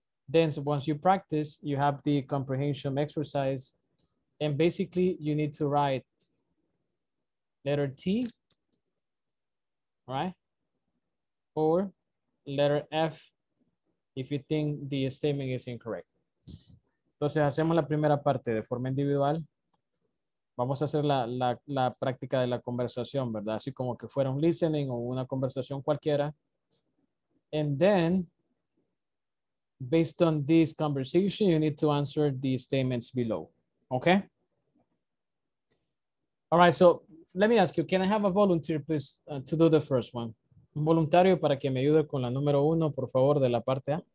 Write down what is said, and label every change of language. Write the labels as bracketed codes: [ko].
[en] Then so once you practice, you have the comprehension exercise. And basically you need to write letter T, right? Or letter F if you think the statement is incorrect. [es] Entonces hacemos la primera parte de forma individual. Vamos a hacer la práctica de la conversación, ¿verdad? Así como que fuera un listening o una conversación cualquiera. [en] And then, based on this conversation, you need to answer the statements below, okay? All right, so let me ask you, can I have a volunteer, please, to do the first one? [es] Un voluntario para que me ayude con la número uno, por favor, de la parte A.